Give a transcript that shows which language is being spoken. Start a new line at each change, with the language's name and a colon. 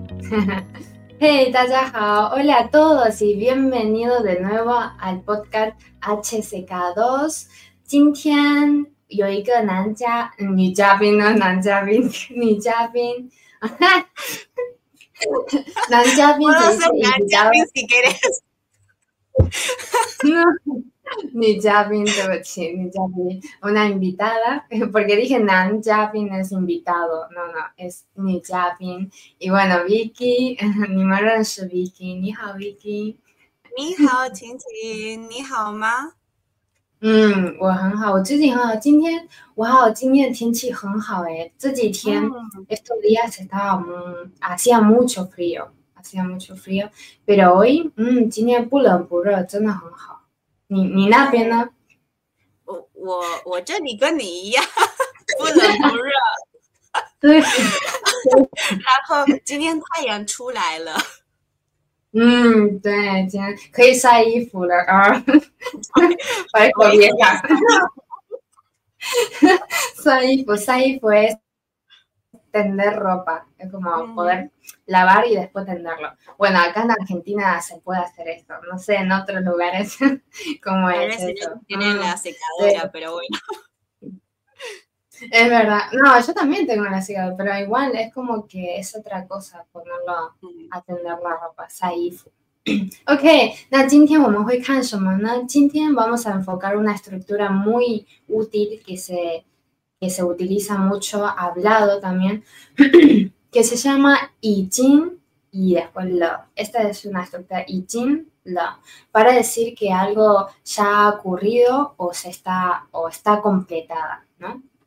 Spanish: Hey,
Chinese: 大家好
Spanish: ，Hola a todos y bienvenido de nuevo al podcast HCK2.
Chinese: 今天有一个男嘉女嘉宾呢，男嘉宾女嘉宾，男嘉宾只是男嘉宾 ，
Spanish: si quieres。女嘉宾，
Chinese: 对不起，
Spanish: 女嘉宾 ，una invitada， porque dije 男嘉宾 es invitado， no no， es 女嘉宾。 y bueno
Chinese: Vicky， 你们认识 Vicky， 你好 Vicky，你好晴晴，你好吗？嗯，我很好，我最近很好，今天我好，今天天气很好哎，这几天、
Spanish: estos días hacía mucho frío，
Chinese: hacía mucho frío，
Spanish: pero hoy，
Chinese: 今天不冷不热，真的很好。你那边呢？我这里跟你一样，不冷不热。对。然后今天太阳出来了。对，今天可以晒衣服了啊。白狗也敢。
Spanish: 晒衣服 es tender ropa， es como poder lavar y después tenderlo。 Bueno, acá en Argentina se puede hacer esto, no sé en otros lugares como es esto. Tienen la secadora, pero bueno. Es verdad. No, yo también tengo la secadora, pero igual es como que es otra cosa ponerlo a tender la ropa, saif.
Chinese: Ok, 那今天我们会看什么呢？今天
Spanish: vamos a enfocar una estructura muy útil que se utiliza mucho hablado también, que se llama 已经 y después lo. Esta es una estructura 已经 lo, para decir que algo ya ha ocurrido o está completada, ¿no?